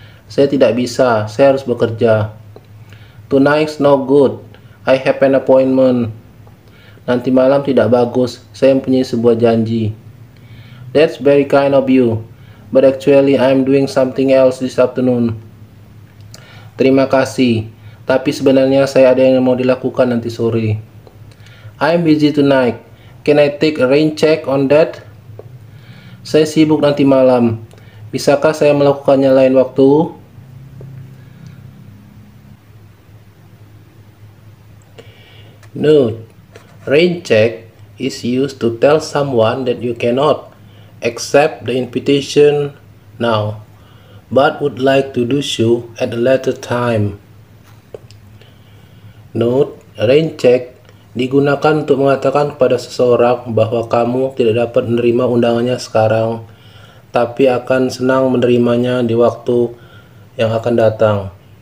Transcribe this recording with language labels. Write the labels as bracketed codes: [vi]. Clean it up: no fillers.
[id] Saya tidak bisa, saya harus bekerja. [en] Tonight's no good, I have an appointment. [id] Nanti malam tidak bagus, saya mempunyai sebuah janji. [en] That's very kind of you, but actually I'm doing something else this afternoon. [id] Terima kasih. Tapi sebenarnya saya ada yang mau dilakukan nanti sore. [en] I'm busy tonight. Can I take a rain check on that? [id] Saya sibuk nanti malam. Bisakah saya melakukannya lain waktu? [en] Note: rain check is used to tell someone that you cannot accept the invitation now, but would like to do so at a later time. [id] Note, rain check digunakan untuk mengatakan kepada seseorang bahwa kamu tidak dapat menerima undangannya sekarang, tapi akan senang menerimanya di waktu yang akan datang.